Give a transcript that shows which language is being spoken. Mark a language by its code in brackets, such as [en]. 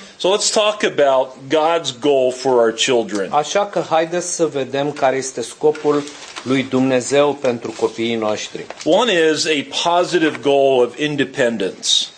[en] So let's talk about God's goal for our children. [ro] Așa că haideți să vedem care este scopul lui Dumnezeu pentru copiii noștri. [en] One is a positive goal of independence.